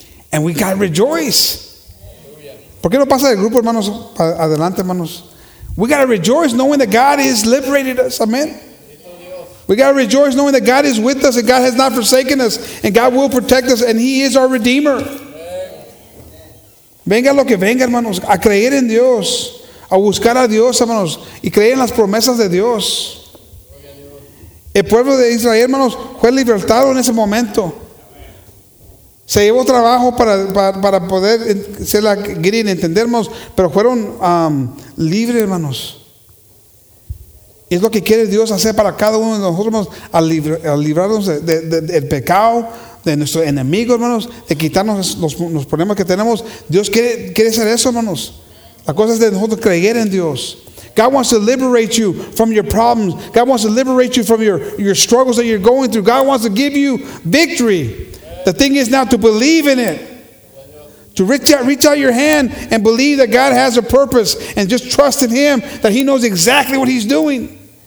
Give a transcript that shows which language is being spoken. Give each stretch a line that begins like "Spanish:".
English: And we got to rejoice.
Spanish: ¿Por qué no pasa el grupo, hermanos? Adelante, hermanos.
English: We got to rejoice knowing that God has liberated us. Amen. We got to rejoice knowing that God is with us and God has not forsaken us and God will protect us and he is our Redeemer.
Spanish: Venga lo que venga, hermanos, a creer en Dios, a buscar a Dios, hermanos, y creer en las promesas de Dios. El pueblo de Israel, hermanos, fue libertado en ese momento. Se llevó trabajo para poder ser la grin, entendemos, pero fueron libres, hermanos. Es lo que quiere Dios hacer para cada uno de nosotros, hermanos, al librarnos del pecado, de nuestro enemigo, hermanos, de quitarnos los problemas que tenemos. Dios quiere hacer eso, hermanos. La cosa es de nosotros creer en Dios.
English: God wants to liberate you from your problems. God wants to liberate you from your struggles that you're going through. God wants to give you victory. The thing is now to believe in it. To reach out your hand and believe that God has a purpose and just trust in him that he knows exactly what he's doing.